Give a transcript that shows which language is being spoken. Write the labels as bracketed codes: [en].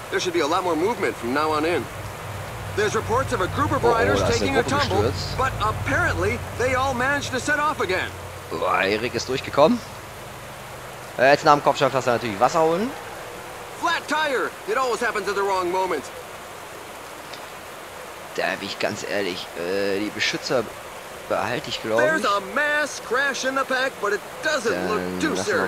[en] There should be a lot more movement from now on in. There's reports of a group of riders taking a tumble, but apparently they all managed to set off again. [de] Erik ist durchgekommen. Jetzt nach dem Kopfsteinpflaster natürlich Wasser holen. [en] Flat tire. It always happens at the wrong moment. [de] Da bin ich ganz ehrlich, die Beschützer behalte ich, glaube ich. [en] There's a mass crash in the pack, but it doesn't look too serious.